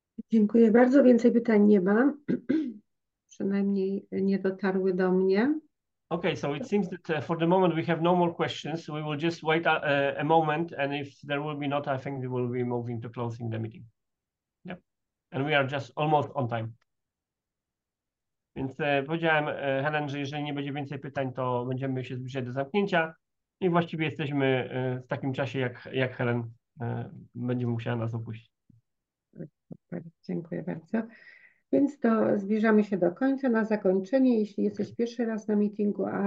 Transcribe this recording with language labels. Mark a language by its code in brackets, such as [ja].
[pl] Dziękuję bardzo. Więcej pytań nie ma. przynajmniej nie dotarły do mnie. [en] Okay, so it seems that for the moment we have no more questions. We will just wait a moment, and if there will be not, I think we will be moving to closing the meeting. Yep. And we are just almost on time. [pl] Więc powiedziałem Helen, że jeżeli nie będzie więcej pytań, to będziemy się zbliżać do zamknięcia i właściwie jesteśmy w takim czasie, jak Helen będzie musiała nas opuścić. Dziękuję bardzo. Więc to zbliżamy się do końca. Na zakończenie, jeśli jesteś pierwszy raz na meetingu, a